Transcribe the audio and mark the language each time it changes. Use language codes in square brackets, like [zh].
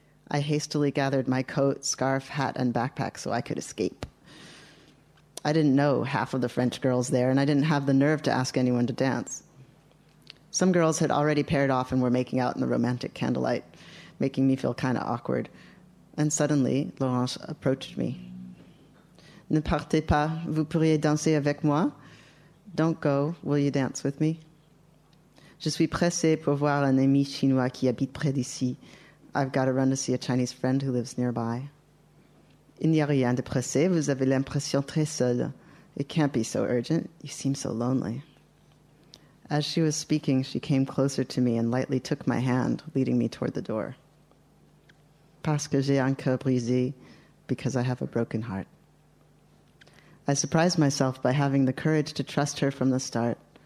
[en] I hastily gathered my coat, scarf, hat, and backpack so I could escape. I didn't know half of the French girls there, and I didn't have the nerve to ask anyone to dance. Some girls had already paired off and were making out in the romantic candlelight, making me feel kind of awkward. And suddenly, Laurence approached me. [fr] "Ne partez pas, vous pourriez danser avec moi? [en] Don't go, will you dance with me? [fr] Je suis pressé pour voir un ami chinois qui habite près d'ici. [en] I've got to run to see a Chinese friend who lives nearby." [fr] "Il n'y a rien de pressé, vous avez l'impression très seule. [en] It can't be so urgent, you seem so lonely." As she was speaking, she came closer to me and lightly took my hand, leading me toward the door. [fr] "Parce que j'ai un cœur brisé," [en] because I have a broken heart. I surprised myself by having the courage to trust her from the start.